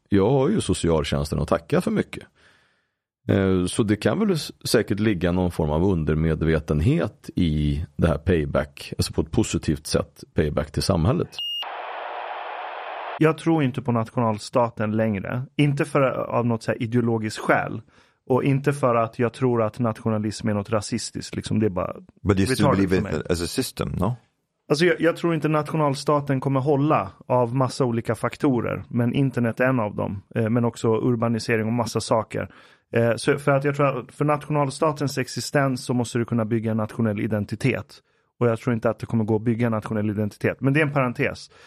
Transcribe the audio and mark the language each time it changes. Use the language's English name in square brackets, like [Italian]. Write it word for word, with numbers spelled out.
[Swedish] Jag har ju socialtjänsten att tacka för mycket. Så det kan väl säkert ligga någon form av undermedvetenhet i det här payback, alltså på ett positivt sätt payback till samhället. Jag tror inte på nationalstaten längre. Inte för av något så här ideologiskt skäl. Och inte för att jag tror att nationalism är något rasistiskt. Liksom, det är bara... [English] But you still believe it as a system, no? [Swedish] Alltså jag, jag tror inte nationalstaten kommer hålla av massa olika faktorer. Men internet är en av dem. Eh, men också urbanisering och massa saker. Eh, så för att jag tror att för nationalstatens existens så måste du kunna bygga en nationell identitet. Och jag tror inte att det kommer gå att bygga en nationell identitet. Men det är en parentes.